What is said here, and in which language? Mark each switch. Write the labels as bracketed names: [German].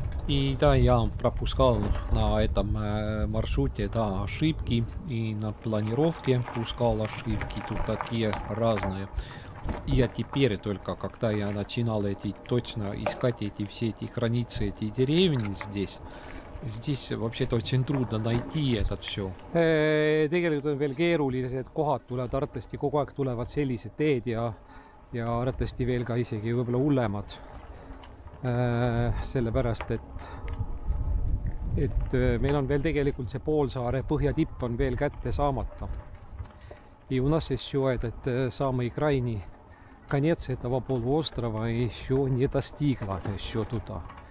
[Russian] И да, я пропускал на этом маршруте, да, ошибки, и на планировке пускал ошибки, тут такие разные. И я теперь только, когда я начинал точно искать эти границы, эти деревни здесь вообще-то очень трудно найти это все. [Estonian] Tegelikult on veel keerulised kohad tulevad Artesti, kogu aeg tulevad sellised teed ja Artesti veel ka isegi võibolla hullemad. Sellepärast, et meil on veel tegelikult see poolsaare põhjatipp on veel kätte saamata. [Russian] И у нас еще этот самый крайний конец этого полуострова еще не достигла еще туда.